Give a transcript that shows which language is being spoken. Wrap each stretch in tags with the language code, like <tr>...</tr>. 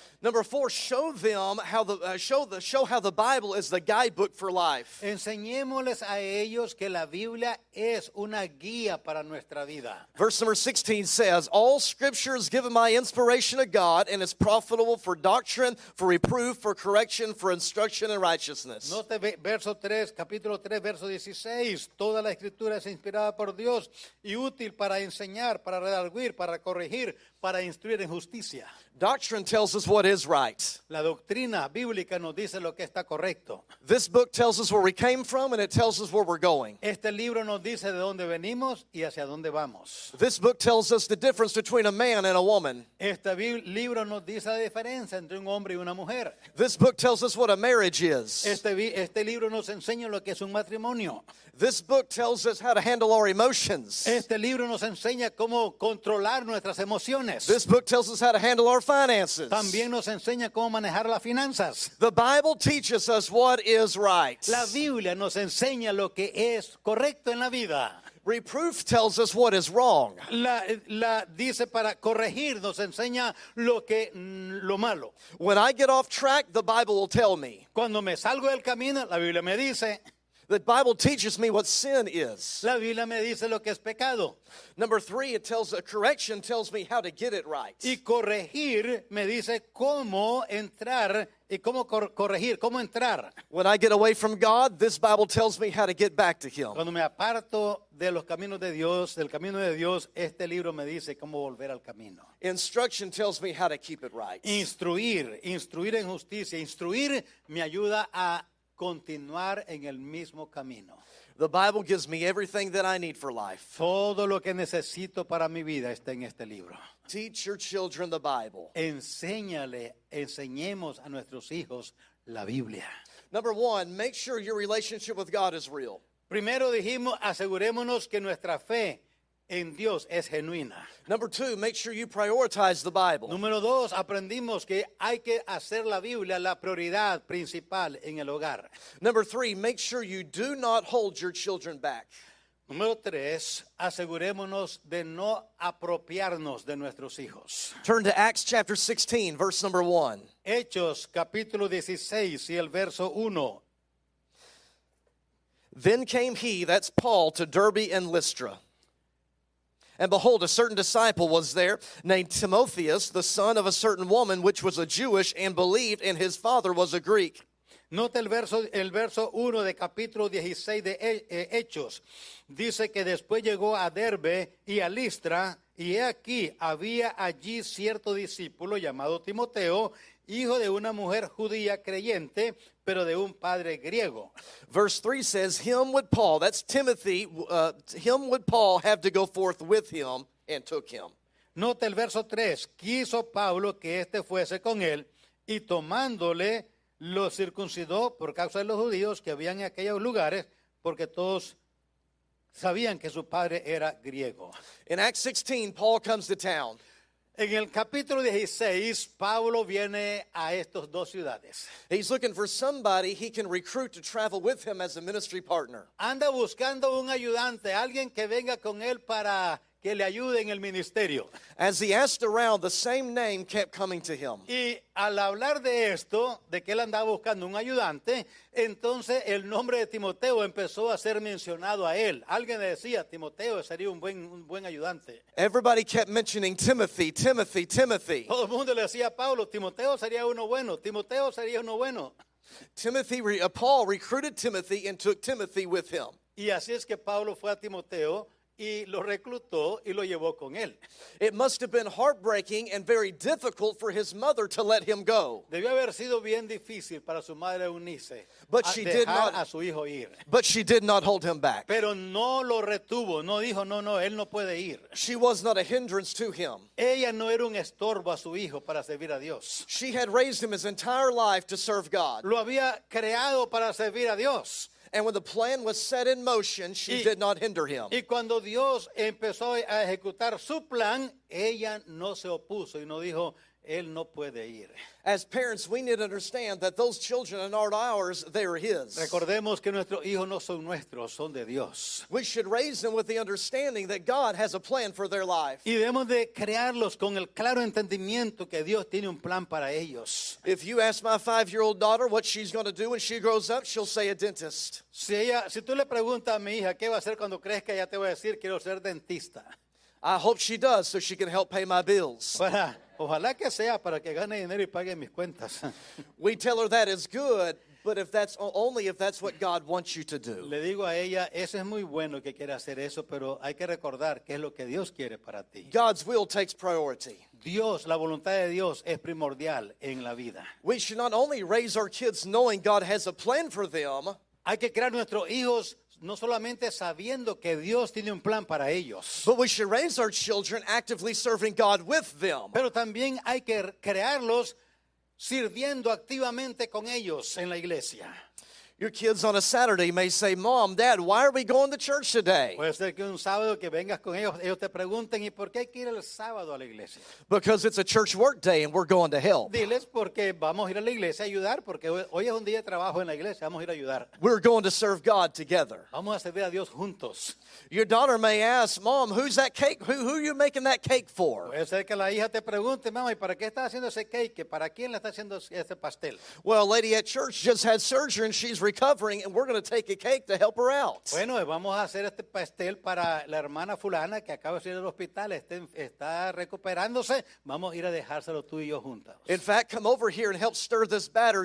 <en>Number four, show how the Bible is the guidebook for life.</en> <es>Enseñémosles a ellos que la Biblia es una guía para nuestra vida.</es> <en>Verse number 16 says, all scripture is given by inspiration of God and is profitable for doctrine, for reproof, for correction, for instruction in righteousness.</en> <es>Note verso 3, capítulo 3, verso 16. Toda la escritura es inspirada por Dios y útil para enseñar, para redarguir, para corregir, para instruir en justicia.</es> <en>Doctrine tells us what is right.</en> <es>La doctrina bíblica nos dice lo que está correcto.</es> <en>This book tells us where we came from and it tells us where we're going.</en> <es>Este libro nos dice de dónde venimos y hacia dónde vamos.</es> <en>This book tells us the difference between a man and a woman.</en> <es>Este libro nos dice la diferencia entre un hombre y una mujer.</es> <en>This book tells us what a marriage is.</en> <es>Este libro nos enseña lo que es un matrimonio.</es> <en>This book tells us how to handle our emotions.</en> <es>Este libro nos enseña cómo controlar nuestras emociones.</es> <en>This book tells us how to handle our finances.</en> <es>También nos enseña cómo manejar las finanzas.</es> <en>The Bible teaches us what is right.</en> <es>La Biblia nos enseña lo que es correcto en la vida.</es> <en>Reproof tells us what is wrong.</en> <es>La dice para corregir, nos enseña lo malo.</es> <en>When I get off track, the Bible will tell me.</en> <es>Cuando me salgo del camino, la Biblia me dice.</es> <en>The Bible teaches me what sin is.</en> <es>La Biblia me dice lo que es pecado.</es> <en>Number three, correction tells me how to get it right.</en> <es>Y corregir me dice cómo entrar y cómo corregir, cómo entrar.</es> <en>When I get away from God, this Bible tells me how to get back to Him.</en> <es>Cuando me aparto de los caminos de Dios, del camino de Dios, este libro me dice cómo volver al camino.</es> <en>Instruction tells me how to keep it right.</en> <es>Instruir en justicia, instruir me ayuda a continuar en el mismo camino.</es> <en>The Bible gives me everything that I need for life.</en> <es>Todo lo que necesito para mi vida está en este libro.</es> <en>Teach your children the Bible.</en> <es>Enséñale, enseñemos a nuestros hijos la Biblia.</es> <en>Number one, make sure your relationship with God is real.</en> <es>Primero dijimos, asegurémonos que nuestra fe en Dios es genuina.</es> <en>Number two, make sure you prioritize the Bible.</en> <es>Número dos, aprendimos que hay que hacer la Biblia la prioridad principal en el hogar.</es> <en>Number three, make sure you do not hold your children back.</en> <es>Número tres, asegurémonos de no apropiarnos de nuestros hijos.</es> <en>Turn to Acts chapter 16, verse number 1.</en> <es>Hechos capítulo 16 y el verso 1.</es> <en>Then came he, that's Paul, to Derbe and Lystra. And behold, a certain disciple was there, named Timotheus, the son of a certain woman, which was a Jewish, and believed, and his father was a Greek.</en> <es>Nota el verso 1 de capítulo 16 de Hechos. Dice que después llegó a Derbe y a Listra, y he aquí, había allí cierto discípulo llamado Timoteo, hijo de una mujer judía creyente, pero de un padre griego.</es> <en>Verse 3 says, him would Paul, that's Timothy, him would Paul have to go forth with him and took him.</en> <es>Nota el verso 3, quiso Pablo que este fuese con él, y tomándole lo circuncidó por causa de los judíos que habían en aquellos lugares, porque todos sabían que su padre era griego.</es> <en>In Acts 16, Paul comes to town.</en> <es>En el capítulo 16, Pablo viene a estas dos ciudades.</es> <en>He's looking for somebody he can recruit to travel with him as a ministry partner.</en> <es>Anda buscando un ayudante, alguien que venga con él para que le ayude en el ministerio.</es> <en>As he asked around, the same name kept coming to him.</en> <es>Y al hablar de esto, de que él andaba buscando un ayudante, entonces el nombre de Timoteo empezó a ser mencionado a él. Alguien le decía, Timoteo sería un buen ayudante.</es> <en>Everybody kept mentioning Timothy, Timothy, Timothy.</en> <es>Todo el mundo le decía a Pablo, Timoteo sería uno bueno, Timoteo sería uno bueno.</es> <en>Paul recruited Timothy and took Timothy with him.</en> <es>Y así es que Pablo fue a Timoteo y lo reclutó y lo llevó con él.</es> <en>It must have been heartbreaking and very difficult for his mother to let him go.</en> <es>Debió haber sido bien difícil para su madre Eunice.</es> <en>But she did not.</en> <es>A su hijo ir.</es> <en>But she did not hold him back.</en> <es>Pero no lo retuvo. No dijo no. Él no puede ir.</es> <en>She was not a hindrance to him.</en> <es>Ella no era un estorbo a su hijo para servir a Dios.</es> <en>She had raised him his entire life to serve God.</en> <es>Lo había creado para servir a Dios.</es> <en>And when the plan was set in motion, she did not hinder him.</en> <es>Y cuando Dios empezó a ejecutar su plan, ella no se opuso y no dijo, él no puede ir.</es> <en>As parents, we need to understand that those children are not ours, they are his.</en> <es>Recordemos que nuestros hijos no son nuestros, son de Dios.</es> <en>We should raise them with the understanding that God has a plan for their life.</en> <es>Y debemos de crearlos con el claro entendimiento que Dios tiene un plan para ellos.</es> <en>If you ask my 5-year-old daughter what she's going to do when she grows up, she'll say a dentist.</en> <es>Si tú le preguntas a mi hija qué va a hacer cuando crezca, ya te voy a decir, quiero ser dentista.</es> <en>I hope she does so she can help pay my bills.</en> <es>Ojalá que sea para que gane dinero y pague mis cuentas.</es> <en>We tell her that is good, but if that's only if that's what God wants you to do.</en> <es>Le digo a ella, eso es muy bueno que quiera hacer eso, pero hay que recordar qué es lo que Dios quiere para ti.</es> <en>God's will takes priority.</en> <es>Dios, la voluntad de Dios es primordial en la vida.</es> <en>We should not only raise our kids knowing God has a plan for them.</en> <es>Hay que crear nuestros hijos no solamente sabiendo que Dios tiene un plan para ellos.</es> <en>But we should raise our children actively serving God with them.</en> <es>Pero también hay que crearlos sirviendo activamente con ellos en la iglesia.</es> <en>Your kids on a Saturday may say, Mom, Dad, why are we going to church today?</en> <es>Puede ser que un sábado que vengas con ellos, ellos te pregunten, ¿y por qué hay que ir el sábado a la iglesia?</es> <en>Because it's a church work day and we're going to help.</en> <es>Diles porque vamos a ir a la iglesia a ayudar, porque hoy es un día de trabajo en la iglesia, vamos a ir a ayudar.</es> <en>We're going to serve God together.</en> <es>Vamos a servir a Dios juntos.</es> <en>Your daughter may ask, Mom, who's that cake? Who are you making that cake for?</en> <es>Puede ser que la hija te pregunte, Mamá, ¿y para qué está haciendo ese cake? ¿Para quién le está haciendo ese pastel?</es> <en>Well, a lady at church just had surgery and she's recovering, and we're going to take a cake to help her out.</en> <es>Bueno, vamos a hacer este pastel para la hermana fulana que acaba de ir al hospital, está recuperándose. Vamos a ir a dejárselo tú y yo juntas.</es> <en>In fact, come over here and help stir this batter.</en>